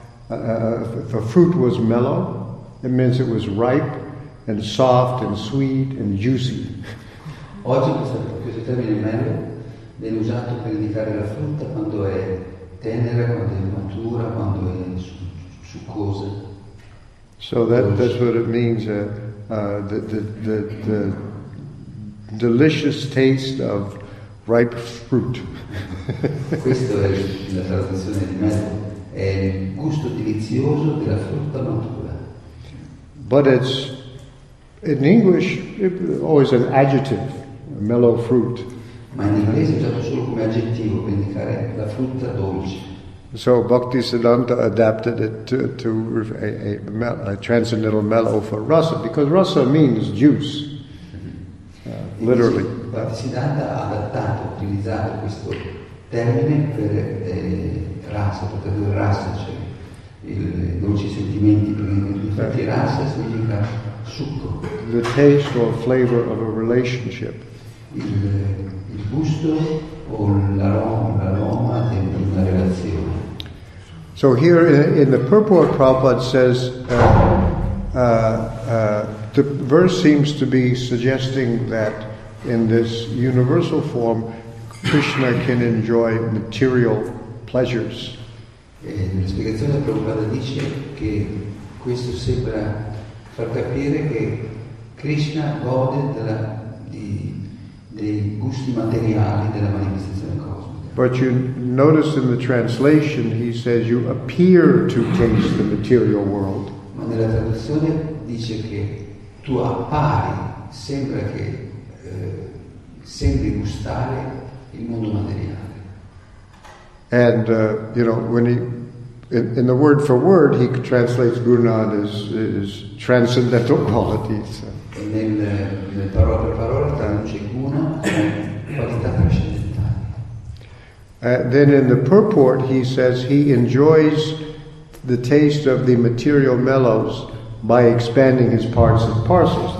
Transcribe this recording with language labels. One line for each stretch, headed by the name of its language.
English: If a fruit was mellow, it means it was ripe and soft and sweet and juicy.
Italian: Oggi questo termine mellow viene usato per indicare la frutta quando è tenera, quando è matura, quando è succosa.
English: So that's what it means, the delicious taste of ripe fruit.
Italian: Questo è la traduzione di mezzo, è il gusto delizioso della frutta matura.
English: But it's, in English, it's always an adjective, a mellow fruit.
Italian: Ma in inglese è usato solo come aggettivo per indicare la frutta dolce.
English: So Bhaktisiddhanta adapted it to a transcendental mellow for rasa, because rasa means juice, literally.
Italian: Bhaktisiddhanta ha adattato, utilizzato questo termine per rasa, per dire rasa, cioè i dolci sentimenti, perché rasa significa succo.
English: The taste or flavor of a relationship.
Italian: Il gusto o l'aroma di una relazione.
English: So here in the purport, Prabhupada says the verse seems to be suggesting that in this universal form, Krishna can enjoy material pleasures.
Italian: Nella spiegazione Prabhupada dice che questo sembra far capire che Krishna gode dei gusti materiali della manifestazione cosmica.
English: But you notice in the translation he says you appear to taste the material world.
Italian: Ma nella traduzione dice che tu appari, sembra che sembri gustare il mondo materiale.
English: And you know, when he in the word for word he translates Gurunath as transcendental qualities.
Italian: E nel parola per parola traduce Guna come qualità trascendentale.
English: Then in the purport he says he enjoys the taste of the material mellows by expanding his parts and parcels.